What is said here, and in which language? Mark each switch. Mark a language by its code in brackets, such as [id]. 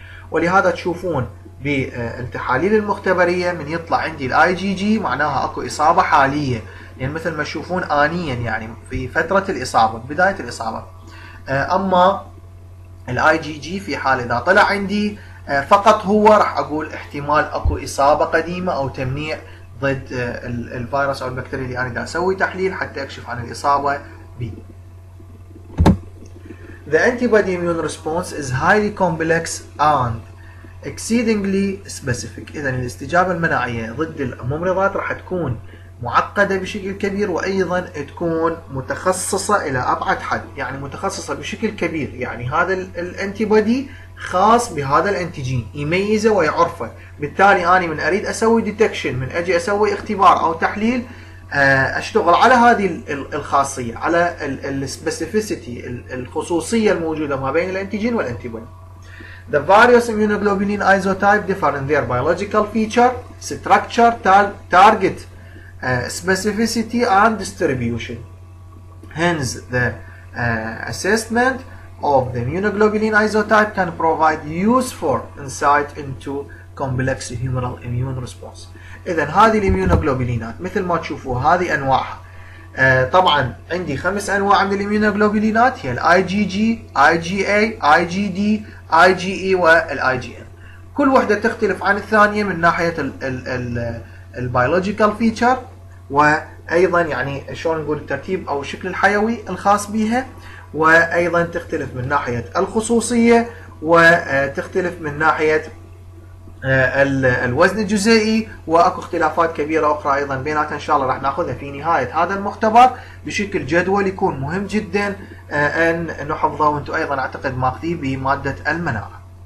[ar] ولهذا تشوفون بالتحاليل المختبرية من يطلع عندي الـ IgG معناها أكو إصابة حالية، يعني مثل ما تشوفون آنيا يعني في فترة الإصابة، بداية الإصابة. أما الـ IgG في حال إذا طلع عندي فقط هو راح أقول احتمال أكو إصابة قديمة أو تمنيع ضد الفيروس أو البكتيريا اللي أنا دا أسوي تحليل حتى أكشف عن الإصابة به. [en] The antibody immune response is highly complex and exceedingly specific. [ar] إذا الاستجابة المناعية ضد الممرضات راح تكون معقدة بشكل كبير وأيضا تكون متخصصة إلى أبعد حد، يعني متخصصة بشكل كبير، يعني هذا الانتيبادي خاص بهذا الانتيجين يميزه ويعرفه، بالتالي أنا من أريد أسوي ديتكشن، من أجي أسوي اختبار أو تحليل أشتغل على هذه الخاصية، على السبيسيفيسيتي، الخصوصية الموجودة ما بين الانتيجين والانتيبادي. [en] The various immunoglobulin isotype differ in their biological feature, structure, target, specificity and distribution. Hence, the assessment of the immunoglobulin isotype can provide useful insight into complex humoral immune response. [ar] إذن هذه الإميونوغلوبولينات مثل ما تشوفوا هذه أنواعها. طبعا عندي خمس أنواع من الإميونوغلوبولينات، هي الIgG, IgA, IgD, IgE والIgM. كل وحدة تختلف عن الثانية من ناحية البيولوجيكال فيتشر، وايضا يعني شلون نقول الترتيب او الشكل الحيوي الخاص بها، وايضا تختلف من ناحيه الخصوصيه، وتختلف من ناحيه الوزن الجزيئي، واكو اختلافات كبيره اخرى ايضا بيناتها ان شاء الله راح ناخذها في نهايه هذا المختبر بشكل جدول يكون مهم جدا ان نحفظه، وانتم ايضا اعتقد ماخذيه بماده المناعه.